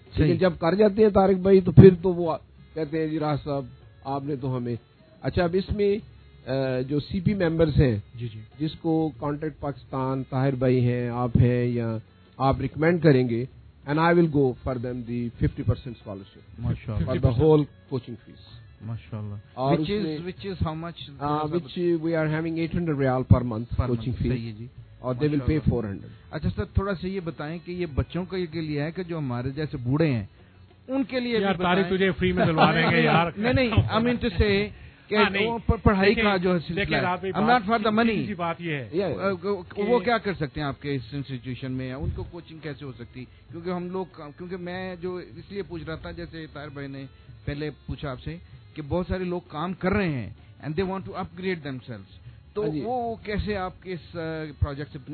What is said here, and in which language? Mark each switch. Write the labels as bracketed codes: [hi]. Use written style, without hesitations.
[ur] لیکن جب کر جاتے ہیں طارق بھائی تو پھر تو وہ کہتے ہیں جی راہ صاحب آپ نے تو ہمیں. اچھا, اب اس میں جو سی پی ممبرس ہیں, جی جی, جس کو کانٹیکٹ پاکستان طاہر بھائی ہیں, آپ ہیں, یا آپ ریکمینڈ کریں گے, [en] and I will go for them the 50% scholarship. [ar] Mashallah. [en] For the whole coaching fees. Mashallah. Which is how much? Which we are having 800 riyal per month coaching fees. [ur] Sahi hai ji. [en] اور they will pay 400. [ur] اچھا سر تھوڑا سا یہ بتائیں کہ یہ بچوں کے لیے ہے کہ جو ہمارے جیسے بوڑھے ہیں ان کے لیے یار تاریخ تجھے فری میں دلوا دیں گے یار. نہیں نہیں [en] I mean to say [ur] کہ پڑھائی کا جو سلسلہ ہے [en] Not for the money. [ur] بات یہ ہے وہ کیا کر سکتے ہیں آپ کے اس انسٹیٹیوشن میں, ان کو کوچنگ کیسے ہو سکتی, کیونکہ ہم لوگ کیونکہ میں جو اس لیے پوچھ رہا تھا جیسے طاہر بھائی نے پہلے پوچھا آپ سے کہ بہت سارے لوگ کام کر رہے ہیں [en] and they want to upgrade themselves, [ur] تو وہ کیسے آپ کے اس پروجیکٹ سے.